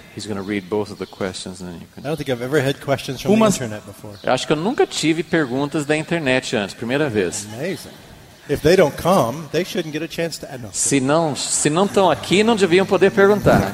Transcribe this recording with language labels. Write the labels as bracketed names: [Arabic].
[English] He's going to read both of the questions, and then you can. I don't think I've ever had questions from the internet before. [Portuguese] Acho que eu nunca tive perguntas da internet antes, primeira vez. [English] Amazing. If they don't come, they shouldn't get a chance to add nothing. [Portuguese] Se não estão aqui, não deviam poder perguntar.